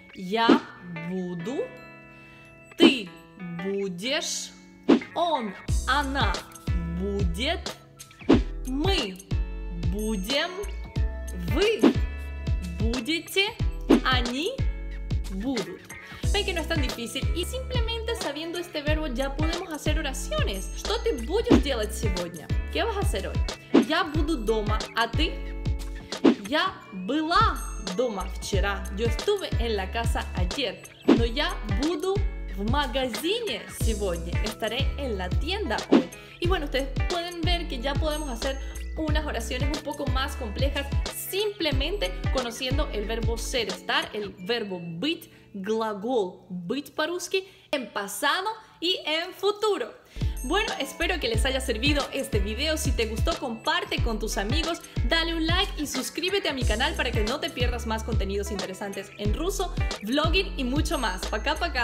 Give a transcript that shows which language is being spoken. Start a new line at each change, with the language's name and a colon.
Russian: Я буду, ты будешь, он, она будет, мы будем, вы будете, они будут.
Spanish: Ven que no es tan difícil y simplemente sabiendo este verbo ya podemos hacer oraciones.
Russian: Что ты будешь делать сегодня?
Spanish: ¿Qué vas a hacer hoy?
Russian: Я буду дома, а ты? Я была дома вчера.
Spanish: Yo estuve en la casa ayer.
Russian: Но я буду в магазине сегодня.
Spanish: Estaré en la tienda hoy. Y bueno, ustedes pueden ver que ya podemos hacer unas oraciones un poco más complejas simplemente conociendo el verbo ser, estar, el verbo быть,
Russian: глагол быть по-русски
Spanish: en pasado y en futuro. Bueno, espero que les haya servido este video. Si te gustó, comparte con tus amigos, dale un like y suscríbete a mi canal para que no te pierdas más contenidos interesantes en ruso, vlogging y mucho más. ¡Paka, paka!